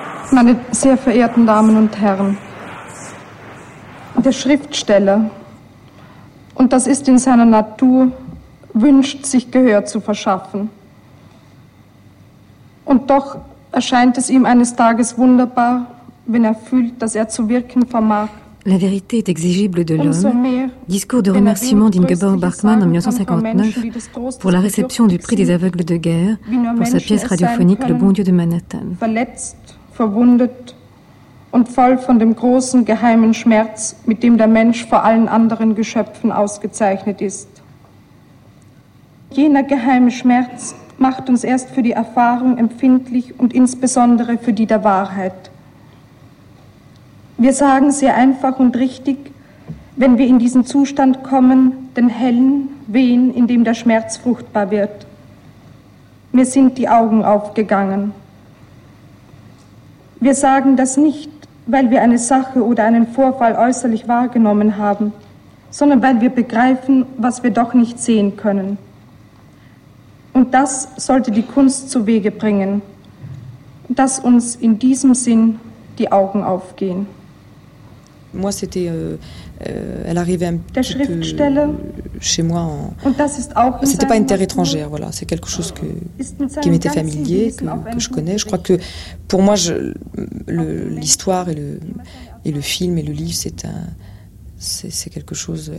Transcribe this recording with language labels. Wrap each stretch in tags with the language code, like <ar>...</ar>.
<de>Meine sehr verehrten Damen und Herren, der Schriftsteller, und das ist in seiner Natur, wünscht sich Gehör zu verschaffen. Und doch erscheint es ihm eines Tages wunderbar, wenn er fühlt, dass er zu wirken vermag.</de> <fr>La vérité est exigible de l'homme. Discours de remerciement d'Ingeborg Bachmann en 1959 pour la réception du prix des aveugles de guerre pour sa pièce radiophonique Le bon Dieu de Manhattan.</fr> <de>Verwundet und voll von dem großen geheimen Schmerz, mit dem der Mensch vor allen anderen Geschöpfen ausgezeichnet ist. Jener geheime Schmerz macht uns erst für die Erfahrung empfindlich und insbesondere für die der Wahrheit. Wir sagen sehr einfach und richtig, wenn wir in diesen Zustand kommen, den hellen Wehen, in dem der Schmerz fruchtbar wird. Mir sind die Augen aufgegangen. Wir sagen das nicht, weil wir eine Sache oder einen Vorfall äußerlich wahrgenommen haben, sondern weil wir begreifen, was wir doch nicht sehen können. Und das sollte die Kunst zu Wege bringen, dass uns in diesem Sinn die Augen aufgehen.</de> <fr>Moi, c'était, elle arrivait un petit peu chez moi. C'était pas une terre étrangère, voilà. C'est quelque chose qui m'était familier, que je connais. Je crois que pour moi, l'histoire et le film et le livre, c'est quelque chose.</fr>